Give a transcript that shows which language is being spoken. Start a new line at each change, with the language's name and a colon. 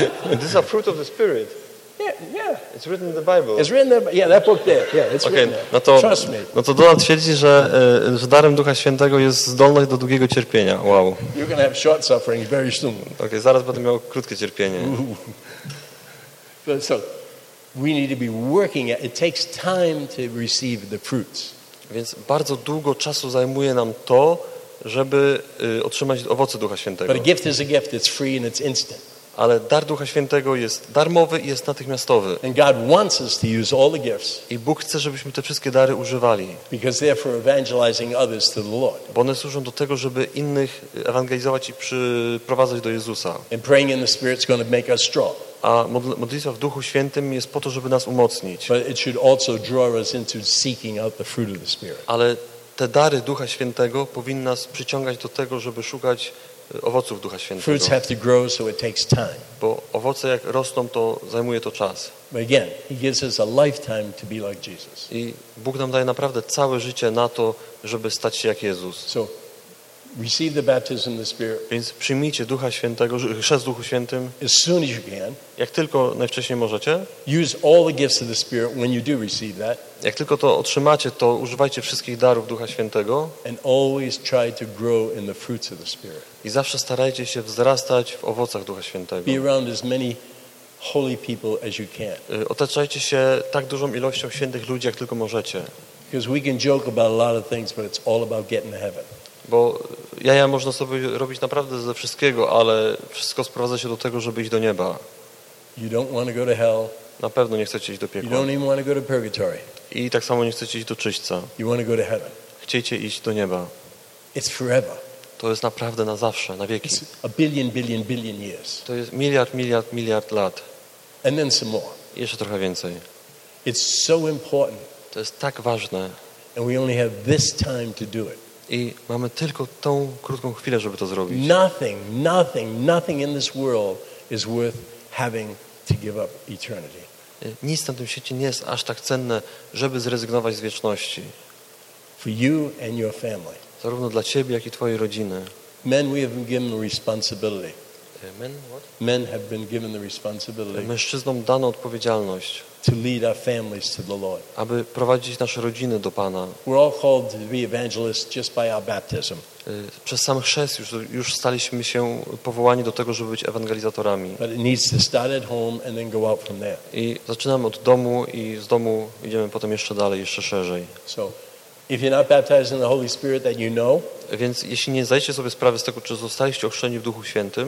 English: This is a fruit of the Spirit. Yeah. It's written in the Bible. It's written there. Yeah, that book there. Yeah, it's okay, written there.
Polish: No to,
English: trust me.
Polish: No to Donald twierdzi, że darem Ducha Świętego jest zdolność do długiego cierpienia.
English: Wow. You're gonna have short suffering very soon.
Polish: Okay, zaraz będę miał krótkie cierpienie.
English: So we need to be working at it takes time to receive the fruits.
Polish: Więc bardzo długo czasu zajmuje nam to, żeby otrzymać owoce Ducha Świętego.
English: But a gift is a gift, it's free and it's instant.
Polish: Ale dar Ducha Świętego jest darmowy i jest natychmiastowy.
English: And God wants us to use all the gifts.
Polish: I Bóg chce, żebyśmy te wszystkie dary używali.
English: Because they're for evangelizing others to the Lord.
Polish: Bo one służą do tego, żeby innych ewangelizować i przyprowadzać do Jezusa.
English: And praying in the Spirit is going to make us strong.
Polish: A modlitwa w Duchu Świętym jest po to, żeby nas umocnić.
English: But it should also draw us into seeking out the fruit of the Spirit.
Polish: Ale te dary Ducha Świętego powinny nas przyciągać do tego, żeby szukać owoców Ducha Świętego.
English: Fruits have to grow, so it takes time.
Polish: Bo owoce jak rosną, to zajmuje to czas.
English: But again, he gives us a lifetime to be like Jesus.
Polish: I Bóg nam daje naprawdę całe życie na to, żeby stać się jak Jezus.
English: So, receive the baptism of the Spirit.
Polish: Więc przyjmijcie Ducha Świętego, chrzest Duchu Świętym.
English: As soon as you can.
Polish: Jak tylko najwcześniej możecie.
English: Use all the gifts of the Spirit when you do receive that.
Polish: Jak tylko to otrzymacie, to używajcie wszystkich darów Ducha Świętego.
English: And always try to grow in the fruits of the Spirit.
Polish: I zawsze starajcie się wzrastać w owocach Ducha Świętego.
English: Be around as many holy people as you can.
Polish: Otaczajcie się tak dużą ilością świętych ludzi, jak tylko możecie.
English: Because we can joke about a lot of things, but it's all about getting to heaven.
Polish: Bo jaja można sobie robić naprawdę ze wszystkiego, ale wszystko sprowadza się do tego, żeby iść do nieba.
English: You don't want to go to hell.
Polish: Na pewno nie chcecie iść do piekła.
English: You don't even want to go to purgatory.
Polish: I tak samo nie chcecie iść do czyśćca.
English: You want to go to heaven.
Polish: Chcecie iść do nieba.
English: It's forever.
Polish: To jest naprawdę na zawsze, na wieki.
English: It's a billion, billion, billion years.
Polish: To jest miliard, miliard, miliard lat.
English: And then some more.
Polish: I jeszcze trochę więcej.
English: It's so important.
Polish: To jest tak ważne.
English: And we only have this time to do it.
Polish: I mamy tylko tą krótką chwilę, żeby to zrobić.
English: Nothing, nothing, nothing in this world is worth having to give up eternity.
Polish: Nic na tym świecie nie jest aż tak cenne, żeby zrezygnować z wieczności.
English: For you and your family.
Polish: Zarówno dla ciebie, jak i twojej rodziny.
English: Men, we have been given responsibility. Men, what? Men have been given the responsibility.
Polish: Mężczyznom dano odpowiedzialność.
English: To lead our families to the Lord.
Polish: Aby prowadzić nasze rodziny do Pana.
English: We're all called to be evangelists just by our baptism.
Polish: Przez sam chrzest już staliśmy się powołani do tego, żeby być ewangelizatorami.
English: But it needs to start at home and then go out from there.
Polish: I zaczynamy od domu i z domu idziemy potem jeszcze dalej, jeszcze szerzej.
English: So, if you're not baptized in the Holy Spirit, that you know.
Polish: Więc jeśli nie zdajecie sobie sprawy z tego, czy zostaliście ochrzczeni w Duchu Świętym.